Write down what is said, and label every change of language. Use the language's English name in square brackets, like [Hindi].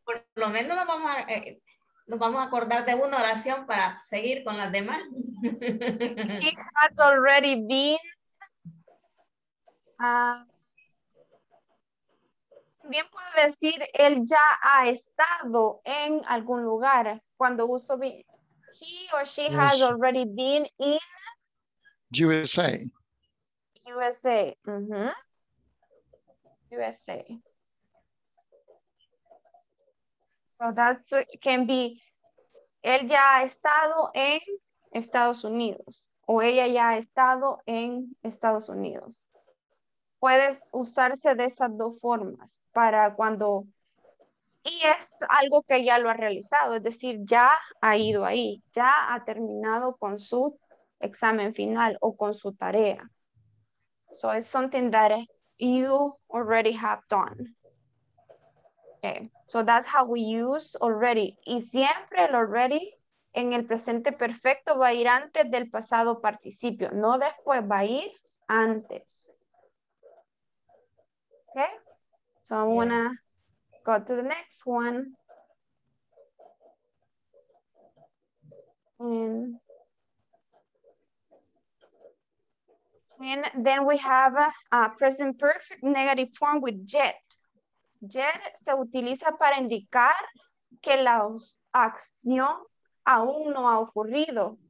[Spanish] Por lo menos nos vamos a acordar de una oración para seguir con las demás. [English] He has already been. [Spanish] Bien puedo decir, él ya ha estado en algún lugar. Cuando uso [English] be, he or she has already been in USA. USA. Mm-hmm. USA. So that can be, [Spanish] él ya ha estado en Estados Unidos, o ella ya ha estado en Estados Unidos. Puedes usarse de esas dos formas para cuando, y es algo que ya lo ha realizado, es decir, ya ha ido ahí, ya ha terminado con su examen final o con su tarea. [English] So it's something that you already have done. Okay, so that's how we use already. [Spanish] Y siempre el already en el presente perfecto va a ir antes del pasado participio. No después, va a ir antes. [English] Okay, so I'm gonna go to the next one. And then we have a present perfect negative form with yet. [Spanish] Yet se utiliza para indicar que la acción aún no ha ocurrido.